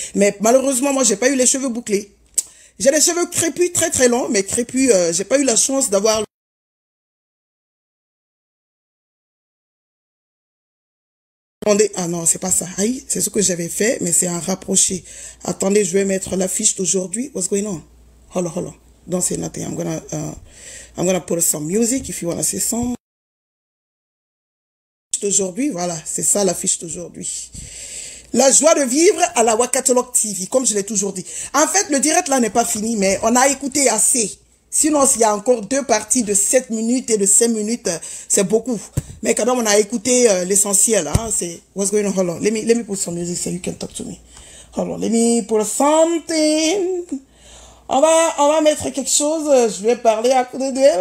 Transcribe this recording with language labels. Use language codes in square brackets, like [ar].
[fr] Mais malheureusement, moi, j'ai pas eu les cheveux bouclés. J'ai les cheveux crépus, très très longs, mais crépus. J'ai pas eu la chance d'avoir. Ah non, c'est pas ça. Aïe, c'est ce que j'avais fait, mais c'est un rapproché. Attendez, je vais mettre l'affiche d'aujourd'hui. [en] What's going on? Hold on. Don't say nothing. I'm gonna put some music if you wanna see some. [fr] D'aujourd'hui, voilà, c'est ça l'affiche d'aujourd'hui. La joie de vivre à la Wakatolog TV, comme je l'ai toujours dit. En fait, le direct là n'est pas fini, mais on a écouté assez. Sinon, s'il y a encore deux parties de 7 minutes et de 5 minutes, c'est beaucoup. Mais quand même, on a écouté l'essentiel. Hein, c'est [en] what's going on? Hold on. Let me put some music so you can talk to me. Hold on. Let me put something. [fr] On va mettre quelque chose. Je vais parler à coup de deux.